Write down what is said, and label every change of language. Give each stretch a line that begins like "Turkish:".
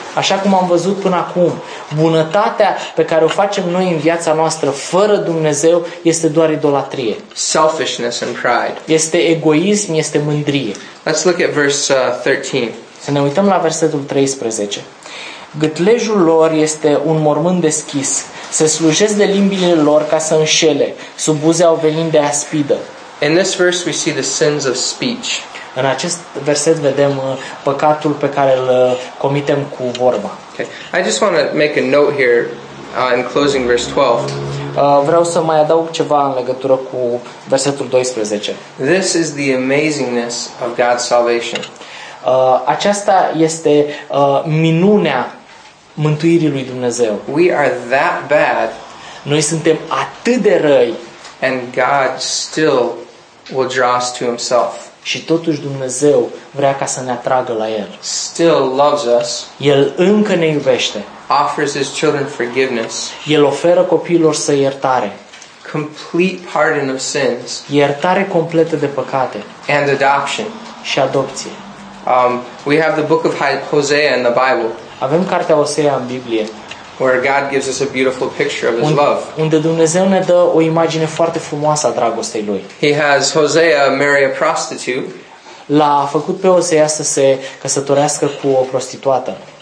Romanian: Așa cum am văzut până acum, bunătatea pe care o facem noi în viața noastră fără Dumnezeu este doar idolatrie.
English: Selfishness and pride.
Romanian: Este egoism, este mândrie.
English: Let's look at verse 13.
Romanian: Să ne uităm la versetul 13. Gâtlejul lor este un mormânt deschis. Se slujesc de limbile lor ca să înșele. Sub buze au venit de aspidă.
English: In this verse we see the sins of speech.
Romanian: În acest verset vedem păcatul pe care îl comitem cu vorba.
English: Okay. I just want to make a note here in closing verse 12.
Romanian: Vreau să mai adaug ceva în legătură cu versetul 12.
English: This is the amazingness of God's salvation.
Romanian: Aceasta este minunea mântuirii lui Dumnezeu.
English: We are that bad.
Romanian: Noi suntem atât de răi.
English: And God still will draw us to himself.
Romanian: Și totuși Dumnezeu vrea ca să ne atragă la El.
English: Still loves us.
Romanian: El încă ne iubește.
English: Offers his children forgiveness.
Romanian: El oferă copiilor săi iertare.
English: Complete pardon of sins.
Romanian: Iertare completă de păcate.
English: And adoption.
Romanian: Și adopție.
English: We have the book of Hosea in the Bible.
Romanian: Avem cartea Hosea în Biblie.
English: Where God gives us a beautiful picture of his love.
Romanian: Unde Dumnezeu ne dă o imagine foarte frumoasă a dragostei lui.
English: He has Hosea marry a prostitute.
Romanian: L-a făcut pe Hosea să se căsătorească cu o prostituată.